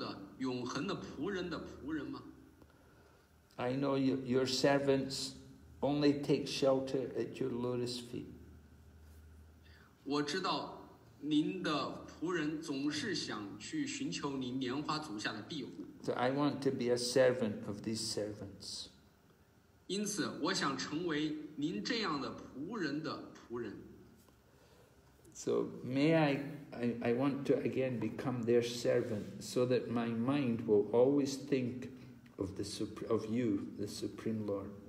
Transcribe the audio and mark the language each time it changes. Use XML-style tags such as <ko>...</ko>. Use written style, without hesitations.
<zh>这个时候，Vritrasura就向至尊主献上祷文了。他在说：“哦，我的主啊，至尊人格守神啊，我还能够再次成为您莲花足下寻求庇护的永恒的仆人的仆人吗？”</zh> <en>I know your servants only take shelter at your lotus feet.</en> <zh>我知道您的仆人总是想去寻求您莲花足下的庇护。So</zh> <en>I want to be a servant of these servants.</en> <zh>因此，我想成为您这样的仆人的仆人。So</zh> <en>may I want to again become their servant, so that my mind will always think of you, the Supreme Lord.</en>